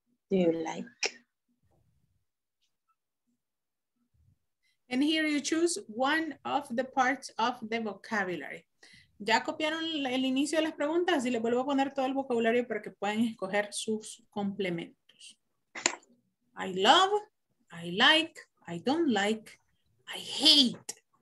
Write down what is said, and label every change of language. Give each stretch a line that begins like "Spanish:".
English: Do you like? And here you choose one of the parts of the vocabulary.
Spanish: ¿Ya copiaron el inicio de las preguntas? Y les vuelvo a poner todo el vocabulario para que puedan escoger sus complementos.
English: I love, I like, I don't like, I hate.